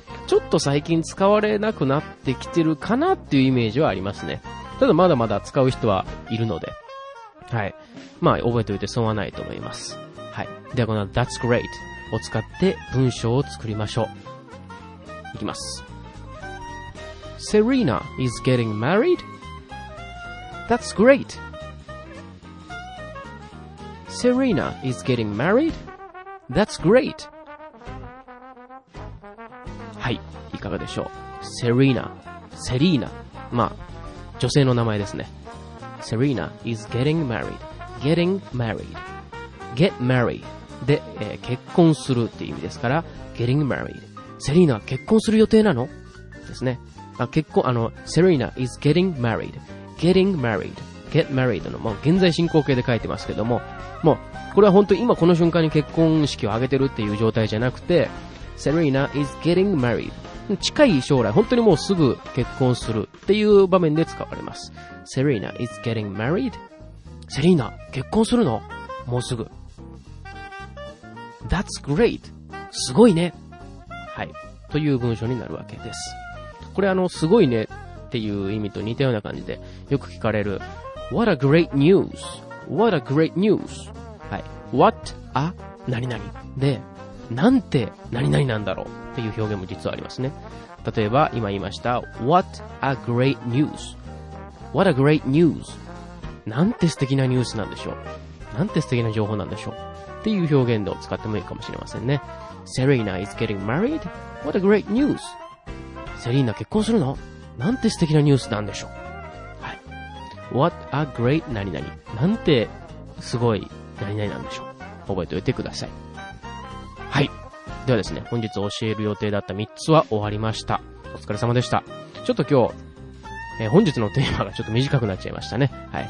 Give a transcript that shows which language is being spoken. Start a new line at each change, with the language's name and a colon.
Japanese: ちょっと最近使われなくなってきてるかなっていうイメージはありますね。ただまだまだ使う人はいるので。はい。まあ、覚えておいて損はないと思います。はい。ではこの
English: That's great
Japanese: を使って文章を作りましょう。いきます。
English: Serena is getting married? That's great! Serena is getting married? That's great!
Japanese: はい。いかがでしょう。Serena。 Serena。まあ、女性の名前ですね。
English: Serena is getting married. Getting married. Get married.
Japanese: で、結婚するっていう意味ですから、
English: getting married.
Japanese: Serena は結婚する予定なの? ですね。あ、結婚、
English: Serena is getting married. Getting married. Get married
Japanese: の、もう現在進行形で書いてますけども、もう、これは本当に今この瞬間に結婚式を挙げてるっていう状態じゃなくて、
English: Serena is getting married.
Japanese: 近い将来、本当にもうすぐ結婚するっていう場面で使われます。
English: Serena is getting married?
Japanese: セリーナ、結婚するの?もうすぐ。
English: That's great!
Japanese: すごいね!はい。という文章になるわけです。これすごいねっていう意味と似たような感じでよく聞かれる。
English: What a great news! What a great news! はい。 What a
Japanese: 何々で、なんて何々なんだろうっていう表現も実はありますね。例えば今言いました
English: What a great news
Japanese: What a great news なんて素敵なニュースなんでしょう。なんて素敵な情報なんでしょうっていう表現で使ってもいいかもしれませんね。
English: Serena is getting married What a great news
Japanese: セリーナ結婚するの。なんて素敵なニュースなんでしょう。はい。
English: What a great
Japanese: 何々なんてすごい何々なんでしょう。覚えておいてください。はい。ではですね、本日教える予定だった3つは終わりました。お疲れ様でした。ちょっと今日、本日のテーマがちょっと短くなっちゃいましたね。はい。